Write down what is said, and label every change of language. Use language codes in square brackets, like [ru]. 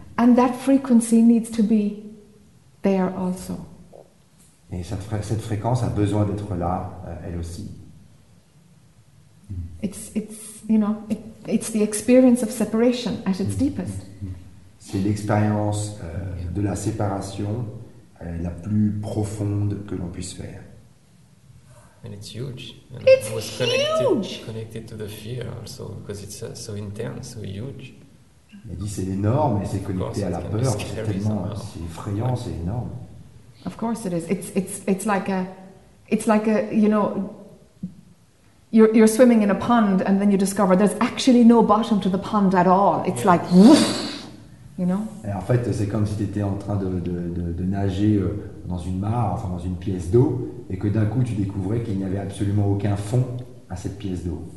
[en] And that frequency needs to be there also. [fr] Et cette fréquence a besoin d'être là, elle aussi. [en] It's the experience of separation at its deepest. C'est l'expérience de la séparation la plus profonde que l'on puisse faire. And it's huge. It's huge. Connected to the fear also, because it's so intense, so huge. [fr] Il dit c'est énorme et c'est connecté à la peur, c'est tellement, c'est effrayant, c'est énorme. [en] Of course it is. It's like you're swimming in a pond and then you discover there's actually no bottom to the pond at all. It's like, you know. [fr] Et en fait, c'est comme si tu étais en train de nager dans une mare, enfin dans une pièce d'eau, et que d'un coup tu découvrais qu'il n'y avait absolument aucun fond à cette pièce d'eau.